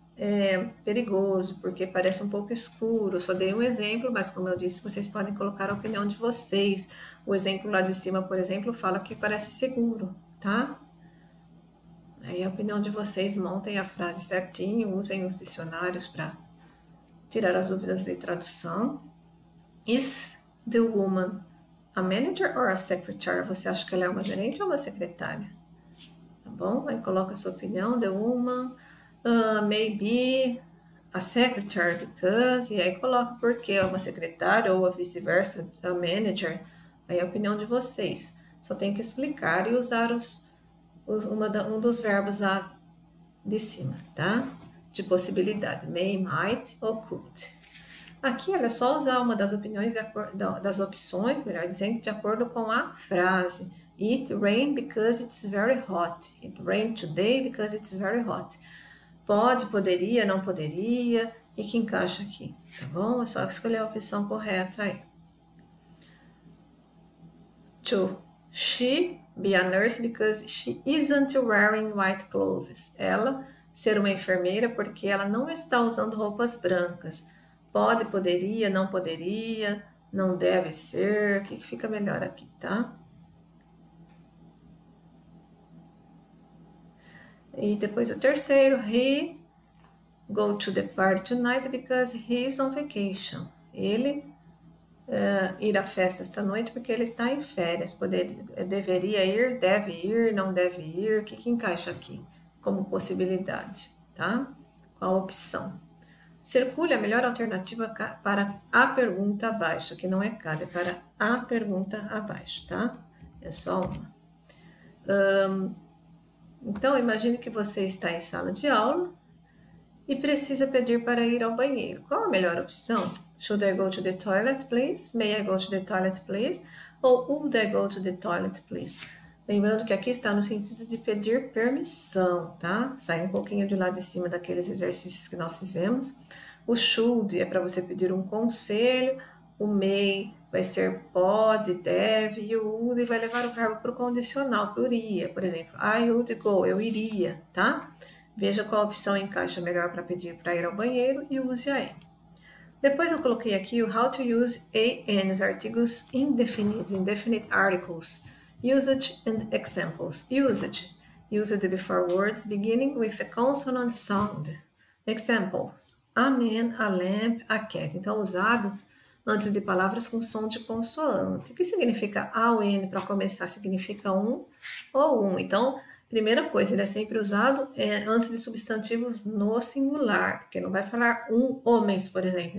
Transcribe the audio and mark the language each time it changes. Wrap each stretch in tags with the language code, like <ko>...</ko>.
<pt>é perigoso, porque parece um pouco escuro. Eu só dei um exemplo, mas como eu disse, vocês podem colocar a opinião de vocês. O exemplo lá de cima, por exemplo, fala que parece seguro, tá? Aí a opinião de vocês, montem a frase certinho, usem os dicionários para tirar as dúvidas de tradução.</pt> <en>Is the woman a manager or a secretary?</en> <pt>Você acha que ela é uma gerente ou uma secretária? Tá bom? Aí coloca a sua opinião.</pt> <en>The woman, maybe a secretary because.</en> <pt>E aí coloca por que é uma secretária ou a vice-versa, a manager. Aí a opinião de vocês. Só tem que explicar e usar um dos verbos lá de cima, tá? De possibilidade. May, might ou could. Aqui era só usar uma das opiniões, das opções, melhor dizendo, de acordo com a frase.</pt> <en>It rained because it's very hot. It rained today because it's very hot.</en> <pt>Pode, poderia, não poderia. O que encaixa aqui? Tá bom? É só escolher a opção correta aí.</pt> <en>To. She be a nurse because she isn't wearing white clothes.</en> <pt>Ela ser uma enfermeira porque ela não está usando roupas brancas. Pode, poderia, não poderia, não deve ser. O que fica melhor aqui, tá? E depois o terceiro.</pt> <en>He go to the party tonight because he's on vacation.</en> <pt>Ele ir à festa esta noite porque ele está em férias. Deveria ir, deve ir, não deve ir. O que encaixa aqui como possibilidade, tá? Qual a opção? Circule a melhor alternativa para a pergunta abaixo, que não é cada, é para a pergunta abaixo, tá? É só uma. Então, imagine que você está em sala de aula e precisa pedir para ir ao banheiro. Qual a melhor opção?</pt> <en>Should I go to the toilet, please? May I go to the toilet, please? Ou would I go to the toilet, please?</en> <pt>Lembrando que aqui está no sentido de pedir permissão, tá? Sai um pouquinho de lá de cima daqueles exercícios que nós fizemos. O should é para você pedir um conselho. O may vai ser pode, deve. E o would vai levar o verbo para o condicional, para o iria. Por exemplo,</pt> <en>I would go,</en> <pt>eu iria, tá? Veja qual opção encaixa melhor para pedir para ir ao banheiro e use aí. Depois eu coloquei aqui o</pt> <en>how to use an,</en> <pt>os artigos indefinidos,</pt> <en>indefinite articles. Usage and examples. Usage. Use the before words beginning with a consonant sound. Examples. A man, a lamp, a cat.</en> <pt>Então, usados antes de palavras com som de consoante. O que significa a ou n para começar? Significa um ou um. Então, primeira coisa, ele é sempre usado antes de substantivos no singular, porque não vai falar um homens, por exemplo.</pt>